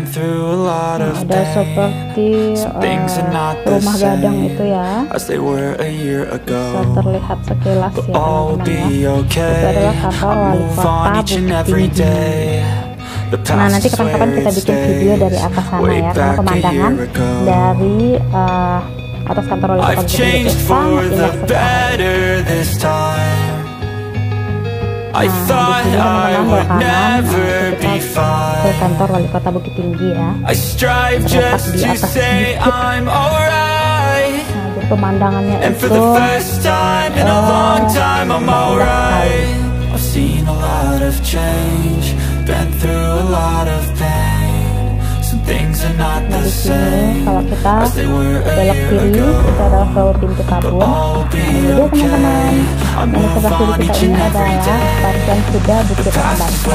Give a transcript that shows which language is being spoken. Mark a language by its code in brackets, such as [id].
[id] Nah, ada seperti rumah gadang itu ya, bisa terlihat sekilas ya teman-teman ya. Okay. Itu adalah kapal wali kota Bukit Tinggi. Nah nanti kapan-kapan kita bikin video dari atas sana ya, karena pemandangan dari atas kantor wali kota Bukit Tinggi itu sangat indah sekali. [en] Nah, I thought I would never be fine. [id] Ke kantor wali kota Bukit Tinggi ya. [en] I strive just to say I'm alright. [id] Nah, pemandangannya itu. [en] And for the first time in a long time I'm alright. I've seen a lot of change, been through a lot of pain. Some things are not the same. [id] Kalau kita belok kiri, kita adalah ke pintu kabur. Kemudian teman-teman, yang sebelah kiri kita ini adalah Pacuan Kuda Bukit Ambaca.